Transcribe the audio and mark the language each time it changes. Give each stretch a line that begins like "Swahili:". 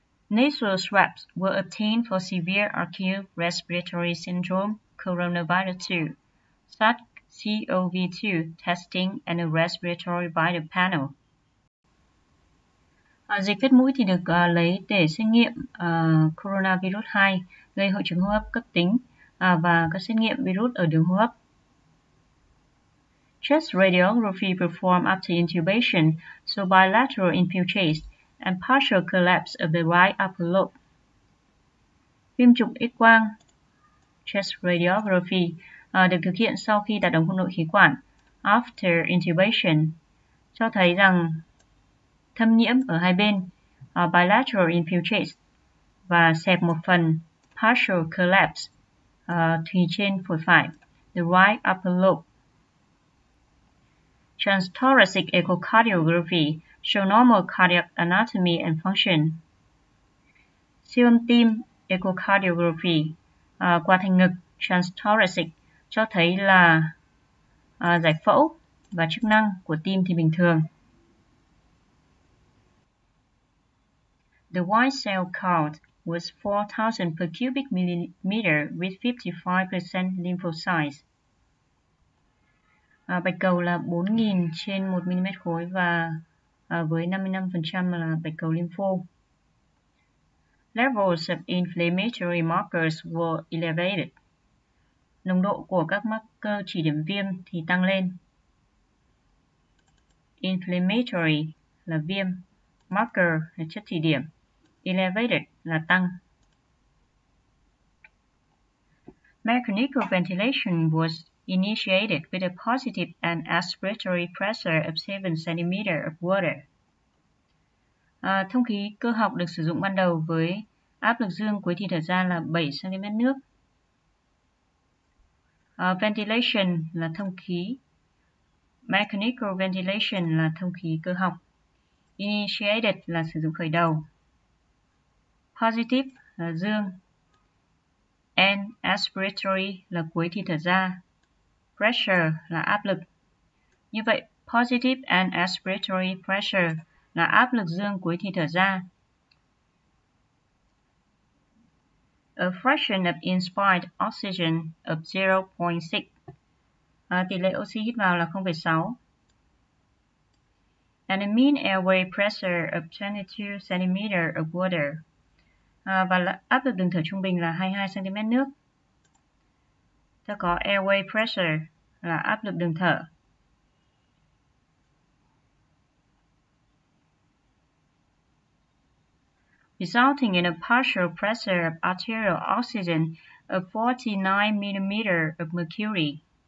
English: Nasal swabs were obtained for severe acute respiratory syndrome coronavirus 2, SARS-CoV-2 testing and a respiratory vital panel.
Vietnamese: Dịch vết mũi thì được lấy để xét nghiệm coronavirus 2 gây hội chứng hô hấp cấp tính và các xét nghiệm virus ở đường hô hấp.
English: Chest radiography performed after intubation, so bilateral infiltrates and partial collapse of the right upper lobe.
Vietnamese: Phim chụp X quang, chest radiography được thực hiện sau khi đặt ống nội khí quản,
English: after intubation,
Vietnamese: cho thấy rằng thâm nhiễm ở hai bên,
English: bilateral infiltrates
Vietnamese: và xẹp một phần,
English: partial collapse,
Vietnamese: thùy trên phổi phải,
English: the right upper lobe. Transthoracic echocardiography show normal cardiac anatomy and function.
Vietnamese: Siêu âm tim echocardiography qua thành ngực transthoracic cho thấy là giải phẫu và chức năng của tim thì bình thường.
English: The white cell count was 4,000 per cubic millimeter with 55% lymphocytes.
Vietnamese: Bạch cầu là 4.000 trên 1mm khối và với 55% là bạch cầu lympho.
English: Levels of inflammatory markers were elevated.
Vietnamese: Nồng độ của các marker chỉ điểm viêm thì tăng lên. Inflammatory là viêm, marker là chất chỉ điểm, elevated là tăng.
English: Mechanical ventilation was initiated with a positive and aspiratory pressure of 7 cm of water.
Vietnamese: Thông khí cơ học được sử dụng ban đầu với áp lực dương cuối thì thở ra là 7 cm nước. Ventilation là thông khí. Mechanical ventilation là thông khí cơ học. Initiated là sử dụng khởi đầu. Positive là dương. And aspiratory là cuối thì thở ra. Pressure là áp lực. Như vậy, positive and aspiratory pressure là áp lực dương cuối thì thở ra.
English: A fraction of inspired oxygen of 0.6.
Vietnamese: Tỷ lệ oxy hít vào là 0.6.
English: And a mean airway pressure of 22 cm of water.
Vietnamese: Và áp lực đường thở trung bình là 22 cm nước. Ta có airway pressure là áp lực đường thở.
English: Resulting in a partial pressure of arterial oxygen of 49 mm of mercury.